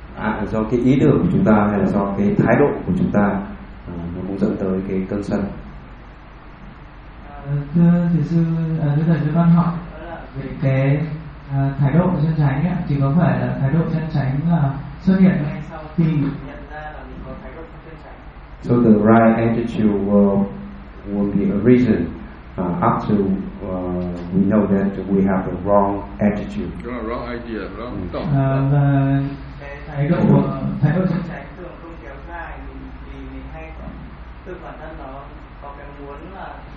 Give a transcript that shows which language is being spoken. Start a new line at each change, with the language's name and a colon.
Vietnamese: À, do cái ý tưởng của chúng ta hay là do cái thái độ của chúng ta nó cũng dẫn tới cái cơn sân. Thưa thầy sư văn học về cái thái độ chân chánh ấy, chỉ có phải là thái độ chân chánh là xuất hiện ngay sau khi mình nhận ra là mình có thái độ chân chánh.
English: So the right attitude will be arisen after we know that we have the wrong attitude. You're wrong idea, wrong thought.
Vietnamese: Và thái độ chân chánh thường không kéo dài vì mình hay tự bản thân nó có cái muốn là